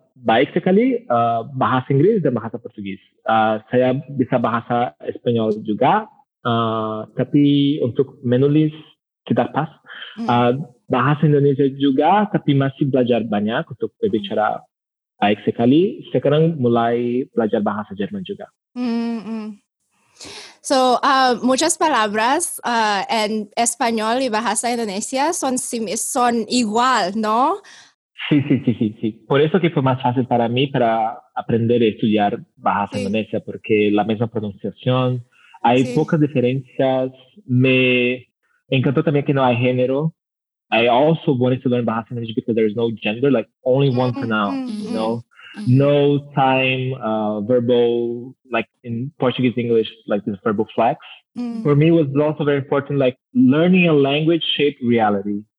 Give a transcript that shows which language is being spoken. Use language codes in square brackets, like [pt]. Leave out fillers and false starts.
[id] baik sekali bahasa Inggris dan bahasa Portugis. Saya bisa bahasa Espanyol juga, tapi untuk menulis tidak pas. Bahasa Indonesia juga, tapi masih belajar banyak untuk berbicara baik sekali. Sekarang mulai belajar bahasa Jerman juga. [es] So, muchas palabras en español y bahasa Indonesia son igual, ¿no? Sí. Por eso que fue más fácil para mí para aprender y estudiar bahasa Indonesia, porque la misma pronunciación, hay pocas diferencias. Me encantó también que no hay género. [en] I also wanted to learn bahasa Indonesia because there is no gender, like only one pronoun, you know? No time, verbal, like in Portuguese English, like this verbal flex. For me, it was also very important, like learning a language shaped reality.